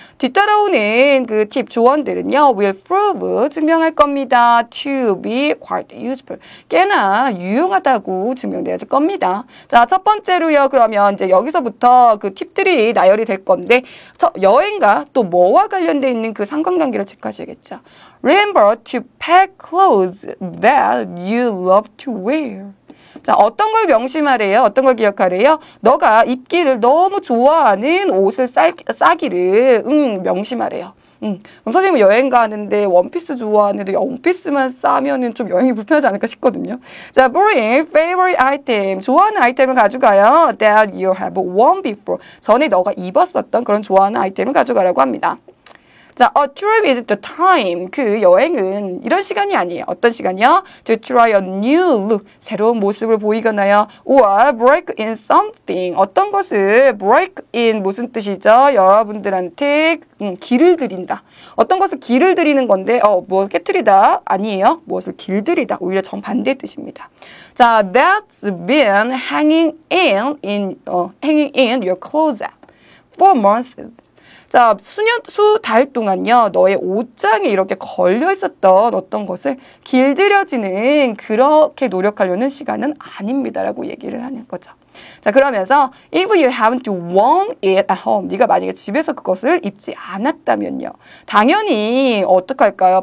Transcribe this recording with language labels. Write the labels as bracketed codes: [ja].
[ko] 뒤따라오는 그팁 조언들은요, [en] will prove, [ko] 증명할 겁니다. [en] to be quite useful. [ko] 꽤나 유용하다고 증명될 겁니다. 자, 첫 번째로요, 그러면 이제 여기서부터 그 팁들이 나열이 될 건데, 여행과 또 뭐와 관련되어 있는 그 상관관계를 체크하셔야겠죠. [en] Remember to pack clothes that you love to wear. [ko] 자, 어떤 걸 명심하래요? 어떤 걸 기억하래요? 너가 입기를 너무 좋아하는 옷을 싸기를, 명심하래요. 그럼 선생님 여행 가는데 원피스 좋아하는데 원피스만 싸면은 좀 여행이 불편하지 않을까 싶거든요. [en] 자, bring favorite item. [ko] 좋아하는 아이템을 가져가요. [en] That you have worn before. [ko] 전에 너가 입었었던 그런 좋아하는 아이템을 가져가라고 합니다. [en] 자, a trip is the time. [ko] 그 여행은 이런 시간이 아니에요. 어떤 시간이요? [en] To try a new look. [ko] 새로운 모습을 보이거나요. [en] Or break in something. [ko] 어떤 것을 [en] break in [ko] 무슨 뜻이죠? 여러분들한테 길을 들인다. 어떤 것을 길을 들이는 건데, 뭐 깨트리다 아니에요. 무엇을 길들이다. 오히려 정반대 뜻입니다. [en] 자, that's been hanging in your closet for months. [ko] 자, 수달 동안요, 너의 옷장에 이렇게 걸려 있었던 어떤 것을 길들여지는 그렇게 노력하려는 시간은 아닙니다라고 얘기를 하는 거죠. 자, 그러면서, [en] if you haven't worn it at home, [ko] 네가 만약에 집에서 그것을 입지 않았다면요, 당연히 어떡할까요?